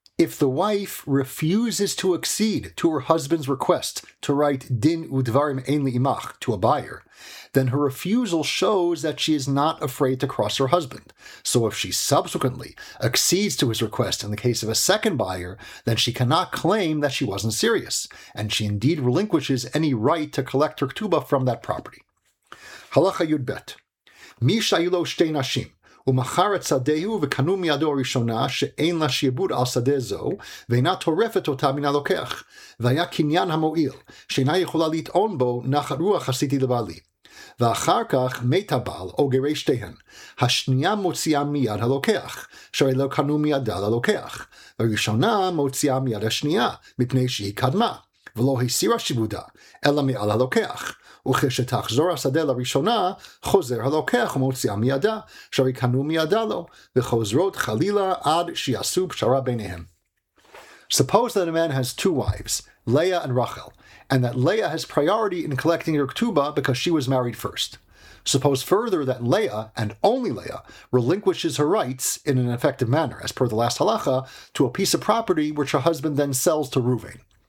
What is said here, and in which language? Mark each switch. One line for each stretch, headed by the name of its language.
English: If the wife refuses to accede to her husband's request to write
Hebrew: Din Udvarim Ein Li'imach
English: to a buyer, then her refusal shows that she is not afraid to cross her husband. So if she subsequently accedes to his request in the case of a second buyer, then she cannot claim that she wasn't serious, and she indeed relinquishes any right to collect her ketubah from that property.
Hebrew: Halacha Yud Bet. Mi Shayilo Shtei Nashim. ומחר את שדהו וקנו מידו הראשונה שאין לה שיבוד על שדה זו ואינה טורפת אותה מן הלוקח והיה קניין המועיל שאינה יכולה לטעון בו נחת רוח עשיתי לבעלי ואחר כך מת הבעל או גרי שתיהן השנייה מוציאה מיד הלוקח שהרי לא קנו מידה ללוקח הראשונה מוציאה מיד השנייה מפני שהיא קדמה ולא הסירה שיבודה אלא מעל הלוקח וכשתחזור השדה לראשונה, חוזר הלוקח ומוציאה מידה, שרי קנו מידה לו, וחוזרות חלילה עד שיעשו פשרה ביניהם.
English: Suppose that a man has two wives, Leah and Rachel, and that Leah has priority in collecting her ketubah because she was married first. Suppose further that Leah, and only Leah, relinquishes her rights in an effective manner, as per the last halacha, to a piece of property which her husband then sells to Reuven.